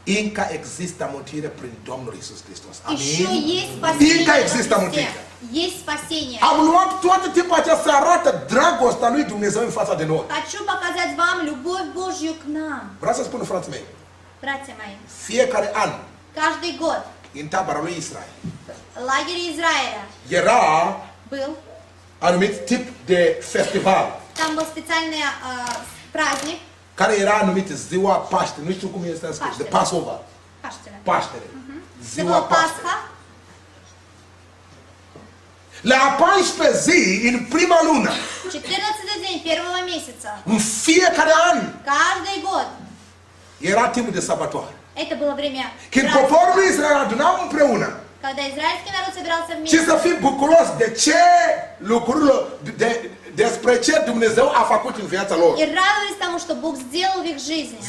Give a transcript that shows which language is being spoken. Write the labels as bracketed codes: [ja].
[ro] Încă există mântuire prin Domnul Iisus Hristos. Încă există mântuire. [ru] Есть спасение. [ro] Am luat toată timpul aceasta să arată dragostea lui Dumnezeu în fața de noi. [ru] Хочу показать вам любовь Божью к нам. [ro] Vreau să spun, frații mei. Frații mei. Fiecare an. [ru] Каждый год. [ro] În tabăra lui Israel. [ru] Лагерь Израиля. [ro] Era. [ru] Был. [ro] Anumit tip de festival. [ru] Там был специальный праздник. [ro] Care era numit ziua Paște, nu știu cum este scris, Paștere. De Passover. Paștere. Paștere. Uh-huh. Ziua Pascha. La 14 zi în prima lună. 14 zi în prima lună. În fiecare an. [ru] Каждый год. [ro] Era timpul de sabatoare. [ru] Это было время. [ro] Când poporul Israel adunau împreună. [ru] Когда израильский народ собирался вместе. [ro] Și să fii bucuros de ce lucrurile de despre ce Dumnezeu a făcut în viața lor. [ru] И радовались тому, что Бог сделал в их жизни.